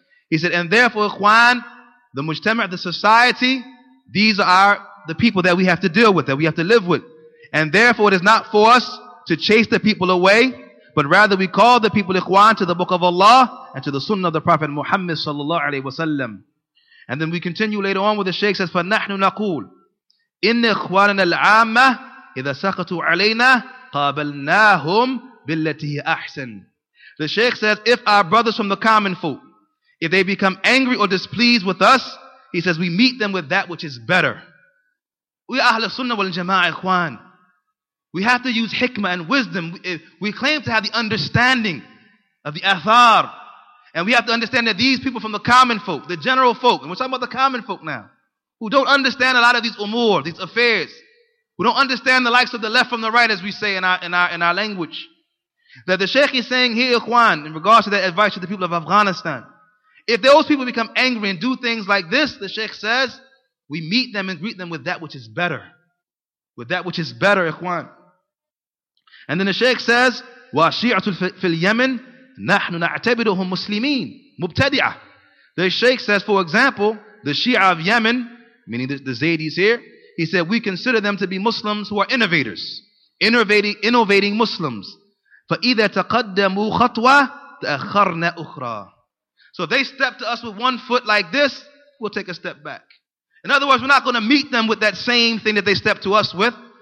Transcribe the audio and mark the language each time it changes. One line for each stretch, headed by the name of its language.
English: He said, and therefore, ikhwan, the mujtama, the society, these are the people that we have to deal with, that we have to live with. And therefore, it is not for us to chase the people away, but rather we call the people, ikhwan, to the book of Allah and to the sunnah of the Prophet Muhammad sallallahu alayhi wa sallam. And then we continue later on with the Shaykh says,
Arabic: فَنَحْنُ نَقُولُ إِنَّ إِخْوَانَنَا الْعَامَّةِ إِذَا سَقَطُوا عَلَيْنَا قَابَلْنَاهُمْ بِالَّتِي أَحْسَنُ.
English: The Shaykh says, if our brothers from the common folk, if they become angry or displeased with us, he says, we meet them with that which is better. We are Ahlul Sunnah wal Jama'ah, ikhwan. We have to use hikmah and wisdom. We claim to have the understanding of the athar. And we have to understand that these people from the common folk, the general folk, and we're talking about the common folk now, who don't understand a lot of these umur, these affairs, who don't understand the likes of the left from the right, as we say in our language. That the Shaykh is saying here, ikhwan, in regards to that advice to the people of Afghanistan, if those people become angry and do things like this, the Shaykh says, we meet them and greet them with that which is better. With that which is better, ikhwan. And then the Shaykh says,
Arabic: وَشِيعَةُ فِي الْيَمِنِ نَحْنُ نَعْتَبِرُهُمْ مُسْلِمِينَ مُبْتَدِعَةً.
English: The Shaykh says, for example, the Shia of Yemen, meaning the Zaydis here, he said, we consider them to be Muslims who are innovators, innovating Muslims.
Arabic: فَإِذَا تَقَدَّمُوا خَطْوَةً تَأَخَّرْنَا أُخْرَى.
English: So if they step to us with one foot like this, we'll take a step back. In other words, we're not going to meet them with that same thing that they step to us with.